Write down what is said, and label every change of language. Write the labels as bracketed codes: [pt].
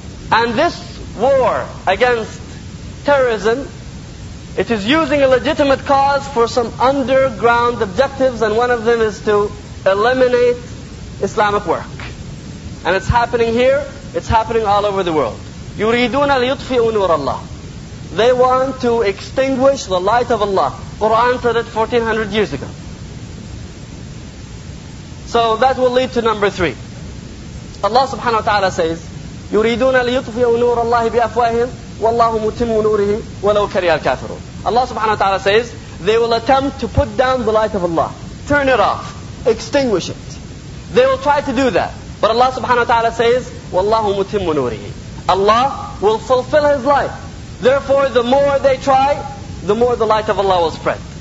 [en] And this war against terrorism, it is using a legitimate cause for some underground objectives, and one of them is to eliminate Islamic work. And it's happening here, it's happening all over the world. [ar] يُرِيدُونَ لِيُطْفِئُوا نُورَ اللَّهِ. [en] They want to extinguish the light of Allah. Quran said it 1400 years ago. So that will lead to number three. Allah subhanahu wa ta'ala says, [ar] يُرِيدُونَ لِيُطْفِئُوا نُورَ اللَّهِ بِأَفْوَاهِمْ وَاللَّهُ مُتِمُّ نُورِهِ وَلَوْ كَرِيَ الْكَافِرُونَ. [en] Allah subhanahu wa ta'ala says, they will attempt to put down the light of Allah. Turn it off. Extinguish it. They will try to do that. But Allah subhanahu wa ta'ala says, [ar] وَاللَّهُ مُتِمُّ نُورِهِ. [en] Allah will fulfill His light. Therefore, the more they try, the more the light of Allah will spread.